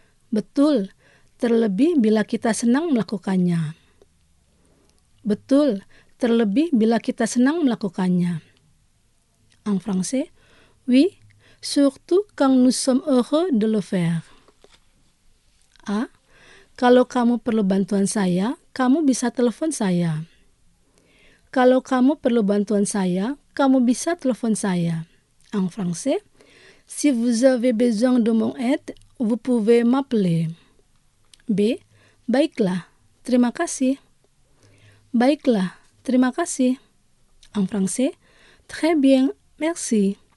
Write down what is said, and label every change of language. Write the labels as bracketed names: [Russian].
[Indonesian] Betul, terlebih bila kita senang melakukannya. Betul, terlebih bila kita senang melakukannya. [French] En français, oui, surtout quand nous sommes heureux de le faire. A. [Indonesian] Kalau kamu perlu bantuan saya, kamu bisa telepon saya. Kalau kamu perlu bantuan saya, kamu bisa telepon saya. [French] En français, si vous avez besoin de mon aide, vous pouvez m'appeler. B. [Indonesian] Baiklah, terima kasih. Baiklah, terima kasih. [French] En français, très bien, merci.